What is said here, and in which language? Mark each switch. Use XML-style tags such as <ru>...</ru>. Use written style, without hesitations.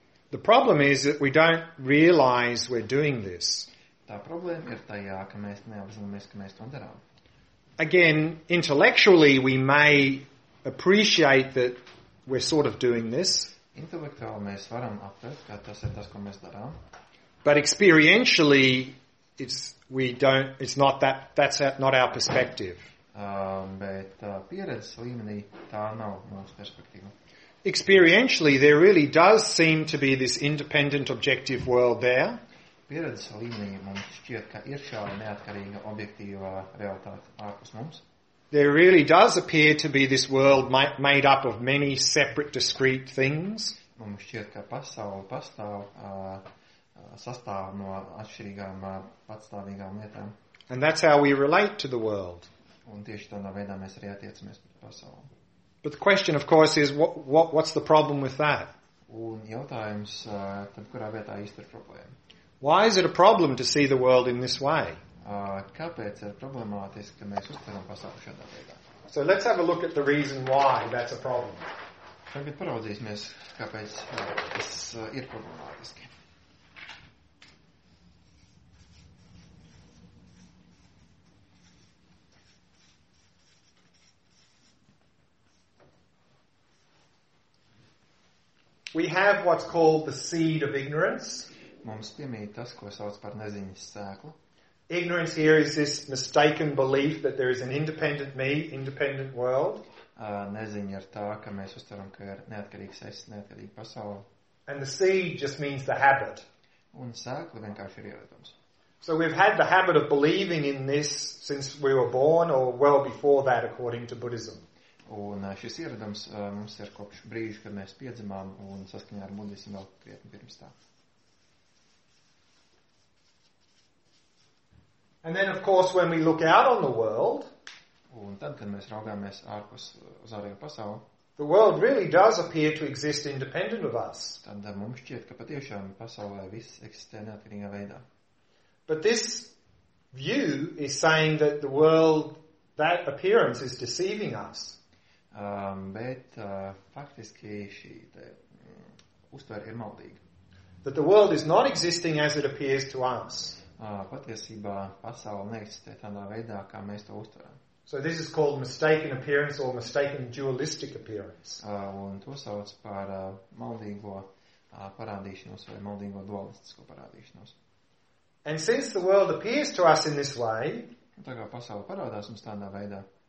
<en>The problem is that we don't realize we're doing this.</en> <lv>Tā problēma ir tajā, ka mēs neapzināmies, ka mēs to darām.</lv> <en>Again, intellectually we may appreciate that we're sort of doing this.</en> <lv>Intelektuāli mēs varam aptvert, ka tas ir tas, ko mēs darām.</lv> <en>But experientially it's not our perspective.</en> <lv>Pieredzes līmenī tā nav mūsu perspektīva.</lv> <en>Experientially there really does seem to be this independent objective world there.</en> <lv>Pieredzes līmenī mums šķiet, ka ir šāda neatkarīga objektīvā realitāte ārpus mums.</lv> <en>There really does appear to be this world made up of many separate discrete things.</en> <lv>mums šķiet, ka pasaule pastāv, sastāv no atšķirīgām patstāvīgām lietām.</lv> <en>And that's how we relate to the world.</en> <lv>Un tieši tādā veidā mēs arī attiecamies pret pasauli.</lv> <en>But the question, of course, is what's the problem with that?</en> <lv>Un jautājums, tad kurā vietā īsti ir problēma?</lv> <en>Why is it a problem to see the world in this way?</en> <lv>Kāpēc ir problemātiski, ka mēs uztveram pasauli šādā veidā?</lv> <en>So let's have a look at the reason why that's a problem.</en> <lv>Tagad paraudzīsimies, kāpēc tas ir problemātiski.</lv> <en>We have what's called the seed of ignorance.</en> <lv>Mums piemīt tas, ko sauc par neziņas sēklu.</lv> <en>Ignorance here is this mistaken belief that there is an independent me, independent world.</en> <lv>Neziņa ir tā, ka mēs uztveram, ka ir neatkarīgs es, neatkarīga pasaule.</lv> <en>And the seed just means the habit.</en> <lv>Un sēkla vienkārši ir ievietojums.</lv> <en>So we've had the habit of believing in this since we were born or well before that according to Buddhism.</en> <lv>Un šis ieradums mums ir kopš brīža, kad mēs piedzimām un saskaņā ar budismu vēl krietni pirms tā.</lv> <en>And then of course when we look out on the world,</en> <lv>un tad kad mēs raugāmies ārpus uz ārējo pasauli,</lv> <en>the world really does appear to exist independent of us.</en> <lv>Tad mums šķiet, ka patiešām pasaulē viss eksistē neatkarīgā veidā.</lv> <en>But this view is saying that the world, that appearance is deceiving us.</en> <lv>Faktiski šī uztvere ir maldīga.</lv> <en>That the world is not existing as it appears to us.</en> <lv>Patiesībā pasaule neeksistē tādā veidā, kā mēs to uztveram.</lv> <en>So this is called mistaken appearance or mistaken dualistic appearance.</en> <lv>Un to sauc par maldīgo parādīšanos vai maldīgo dualistisko parādīšanos.</lv> <en>And since the world appears to us in this way,</en> <lv>tā kā pasaule parādās mums tādā veidā,</lv>